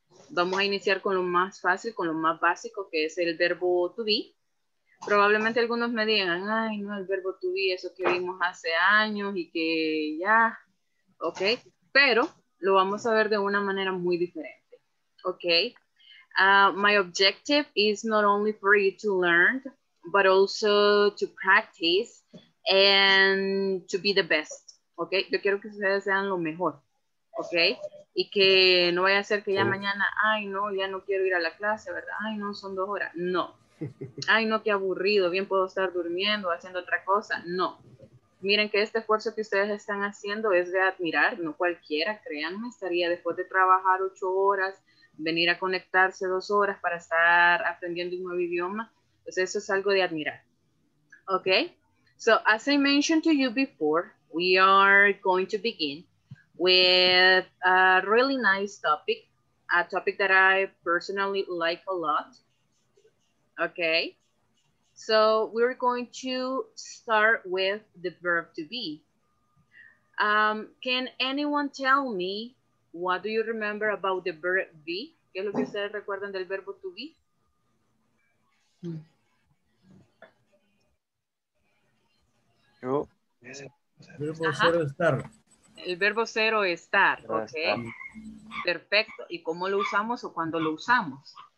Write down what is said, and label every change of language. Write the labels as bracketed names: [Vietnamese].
[Spanish] Vamos a iniciar con lo más fácil, con lo más básico, que es el verbo to be. Probablemente algunos me digan, ay, no, el verbo to be, eso que vimos hace años y que ya, ¿ok? Pero lo vamos a ver de una manera muy diferente, ¿ok? [English] My objective is not only for you to learn, but also to practice and to be the best, ¿ok? [Spanish] Yo quiero que ustedes sean lo mejor, ¿ok? Y que no vaya a ser que ya mañana, ay, no, ya no quiero ir a la clase, ¿verdad? Ay, no, son 2 horas. No. Ay, no, qué aburrido, bien puedo estar durmiendo, haciendo otra cosa. No. Miren que este esfuerzo que ustedes están haciendo es de admirar, no cualquiera, créanme, estaría después de trabajar 8 horas, venir a conectarse 2 horas para estar aprendiendo un nuevo idioma. Pues eso es algo de admirar. Ok. [English] So, as I mentioned to you before, we are going to begin with a really nice topic, a topic that I personally like a lot. Ok. So, we're going to start with the verb to be. Can anyone tell me what do you remember about the verb be? [Spanish] ¿Qué es lo que ustedes recuerdan del verbo to be? Yo. Verbo cero estar. El verbo cero estar, ok. Está. Perfecto. ¿Y cómo lo usamos o cuándo lo usamos?